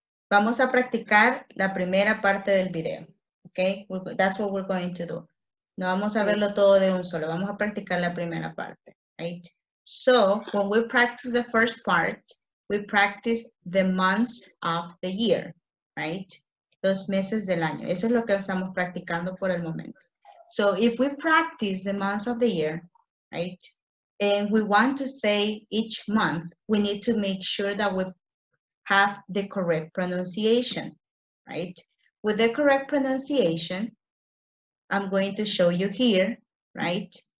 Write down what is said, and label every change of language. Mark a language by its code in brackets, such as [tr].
[es] Vamos a practicar la primera parte del video, okay? [en] That's what we're going to do. [es] No vamos a verlo todo de un solo, vamos a practicar la primera parte, right? [en] So, when we practice the first part, we practice the months of the year, right? [es] Los meses del año. Eso es lo que estamos practicando por el momento. [en] So, if we practice the months of the year, right? And we want to say each month, we need to make sure that we have the correct pronunciation, right? With the correct pronunciation, I'm going to show you here, right?